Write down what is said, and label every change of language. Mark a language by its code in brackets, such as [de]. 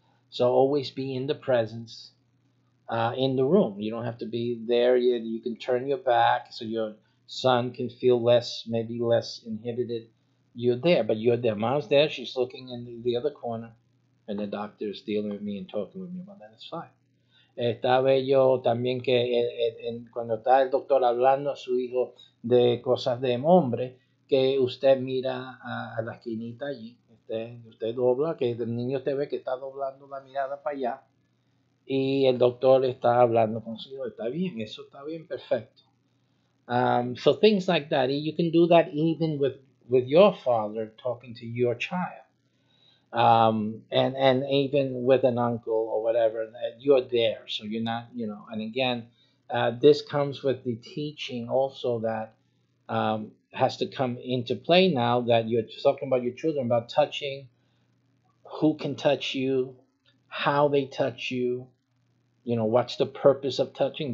[en] So always be in the presence, in the room. You don't have to be there yet. You can turn your back so your son can feel less inhibited. You're there, but you're there. Mom's there. She's looking in the other corner. And the doctor is dealing with me and talking with me. Well, then it's fine. [es] Estaba yo también que cuando está el doctor hablando a su hijo de cosas de hombre, que usted mira a la esquinita allí. Usted dobla, que el niño te ve que está doblando la mirada para allá. Y el doctor está hablando con su hijo. Está bien, eso está bien, perfecto. [en] So things like that. You can do that even with your father talking to your child, and even with an uncle or whatever, you're there, so you're not, you know. And again, this comes with the teaching also that has to come into play now, that you're talking about your children, about touching, who can touch you, how they touch you, you know, what's the purpose of touching.